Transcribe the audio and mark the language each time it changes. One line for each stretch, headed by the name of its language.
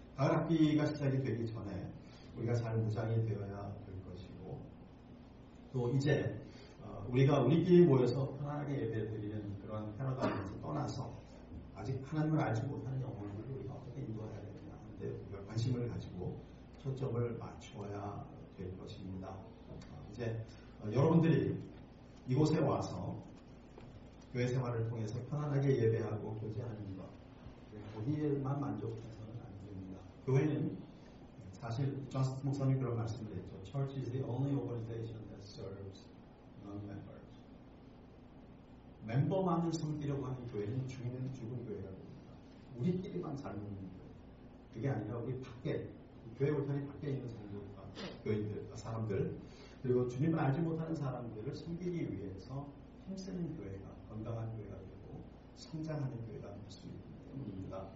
Korean: 가을 학기가 시작이 되기 전에 우리가 잘 무장이 되어야 될 것이고 또 이제 우리가 우리끼리 모여서 편안하게 예배드리는 그런 패러다임에서 떠나서 아직 하나님을 알지 못하는 영혼들을 우리가 어떻게 인도해야 되느냐 하는데 우리가 관심을 가지고 초점을 맞추어야 될 것입니다. 이제 여러분들이 이곳에 와서 교회 생활을 통해서 편안하게 예배하고 교제하는 것 거기에만 만족해서는 안 됩니다. 교회는 사실 저스트 목사님이 그런 말씀을 했죠.
English: Church is the only organization that serves non-members.
Korean: 멤버만을 섬기려고 하는 교회는 죽이는 죽은 교회라고 합니다. 우리끼리만 잘 먹는 교회. 그게 아니라 우리 밖에 교회 볼턴이 밖에 있는 성도들과 교인들, 사람들 그리고 주님을 알지 못하는 사람들을 섬기기 위해서 힘쓰는 교회가 건강한 교회가 되고 성장하는 교회가 될 수 있기 때문입니다.